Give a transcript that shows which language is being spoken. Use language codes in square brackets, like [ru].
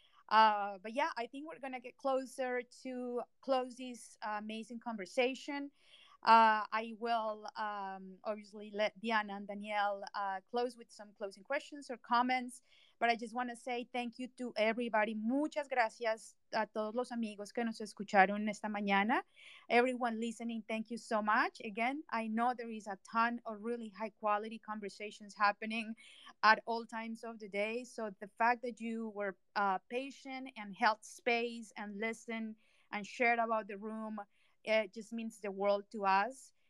[en] But yeah, I think we're going to get closer to close this amazing conversation. I will obviously let Diana and Danielle close with some closing questions or comments, but I just want to say thank you to everybody. [es] Muchas gracias a todos los amigos que nos escucharon esta mañana. [en] Everyone listening, thank you so much. Again, I know there is a ton of really high quality conversations happening at all times of the day. So the fact that you were patient and held space and listened and shared about the room, it just means the world to us.